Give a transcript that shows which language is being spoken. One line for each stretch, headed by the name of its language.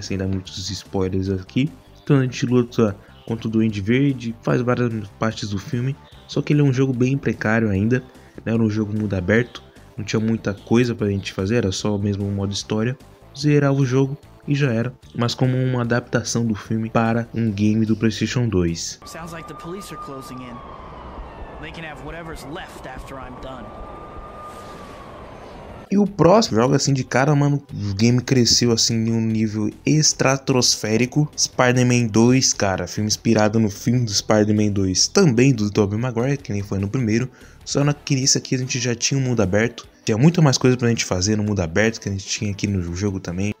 Portuguese: Sem dar muitos spoilers aqui. Então a gente luta contra o Duende Verde, faz várias partes do filme, só que ele é um jogo bem precário ainda, né? Era um jogo mundo aberto, não tinha muita coisa pra gente fazer, era só mesmo o modo história, zerava o jogo e já era, mas como uma adaptação do filme para um game do PlayStation 2.
English: Sounds like the police are closing in. They can have whatever's left after I'm done.
Portuguese: E o próximo jogo, assim, de cara, mano, o game cresceu, assim, em um nível estratosférico. Spider-Man 2, cara, filme inspirado no filme do Spider-Man 2, também do Tobey Maguire, que nem foi no primeiro. Só que nesse aqui a gente já tinha um mundo aberto. Tinha muito mais coisa pra gente fazer no mundo aberto, que a gente tinha aqui no jogo também.